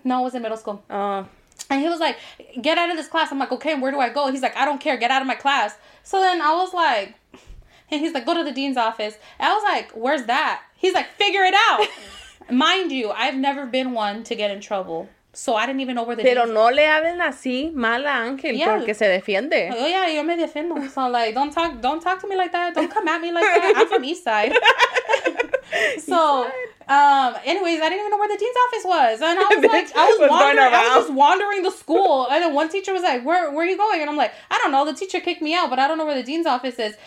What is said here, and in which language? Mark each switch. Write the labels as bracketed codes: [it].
[en] No, it was in middle school. Oh. And he was like, get out of this class. I'm like, okay, where do I go? And he's like, I don't care. Get out of my class. So then I was like, and he's like, go to the dean's office. And I was like, where's that? He's like, figure it out. Mind you, I've never been one to get in trouble. So I didn't even know where the [es] Pero no le hablen así, mala Ángel, yeah. Porque se defiende. Oh, yeah, yo me defiendo. [en] So, like, don't talk to me like that. Don't come at me like that. I'm from East Side. So, anyways, I didn't even know where the dean's office was. And I was wandering the school. And then one teacher was like, where are you going? And I'm like, I don't know. The teacher kicked me out, but I don't know where the dean's office is.